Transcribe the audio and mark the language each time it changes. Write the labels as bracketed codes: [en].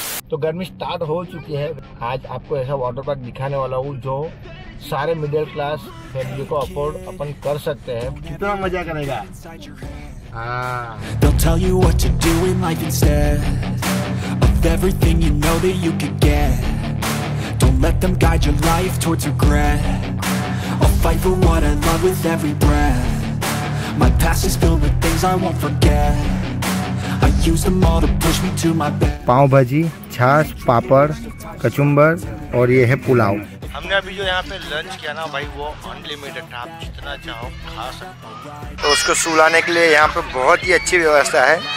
[hi] तो गर्मी स्टार्ट हो चुकी है। आज आपको ऐसा वाटर पार्क दिखाने वाला हूँ जो सारे मिडिल क्लास फैमिली को अफोर्ड अपन कर सकते हैं। कितना मजा करेगा। [en] They'll tell you what to do in life instead of everything you know that you could get. Don't let them guide your life towards regret. I'll fight for what I love with every breath. My past is filled with things I won't forget. I use them all to push me to my best. [hi] Pav bhaji, chhach, papad, kachumbar aur ye hai pulao. हमने अभी जो यहाँ पे lunch किया ना भाई, वो unlimited था, आप जितना चाहो खा सकते हो। तो उसको सुलाने के लिए यहाँ पे बहुत ही अच्छी व्यवस्था है।